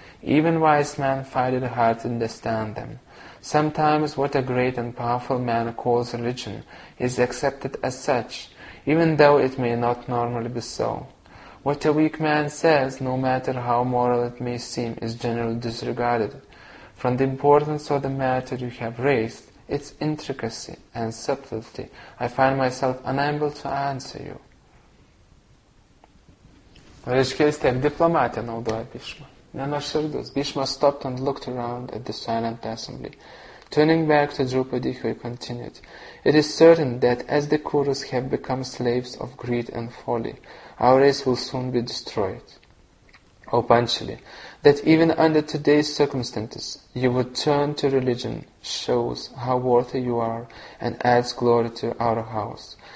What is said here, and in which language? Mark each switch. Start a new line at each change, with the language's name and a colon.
English: Even wise men find it hard to understand them. Sometimes what a great and powerful man calls religion is accepted as such, even though it may not normally be so. What a weak man says, no matter how moral it may seem, is generally disregarded. From the importance of the matter you have raised, its intricacy and subtlety, I find myself unable to answer you.
Lithuanian: Reiškia, vis tiek diplomatiją naudoja Bhishma. Nenuoširdus.
English: Bhishma stopped and looked around at the silent assembly. Turning back to Draupadi, he continued, It is certain that as the Kurus have become slaves of greed and folly, our race will soon be destroyed. O Panchali, that even under today's circumstances, you would turn to religion shows how worthy you are and adds glory to our house.